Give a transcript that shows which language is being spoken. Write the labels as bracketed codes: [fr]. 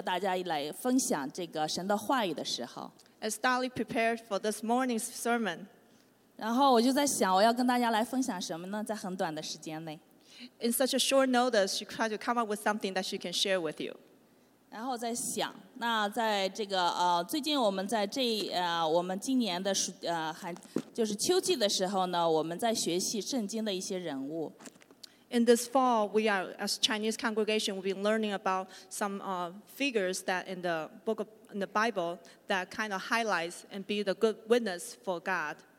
[zh] 今天早上呢,当我得到这个信息,我要在这里和大家来分享这个神的话语的时候。 [en] As Dolly prepared for this morning's sermon. [zh] 然后我就在想,我要跟大家来分享什么呢? 在很短的时间内。 [en] In such a short notice, she tried to come up with something that she can share with you. [zh] 然后在想,那在这个,最近我们在这,我们今年的,就是秋季的时候呢,我们在学习圣经的一些人物。 [en] In this fall, we are, as Chinese congregation, we've been learning about some figures that in the book of, in the Bible that kind of highlights and be the good witness for God.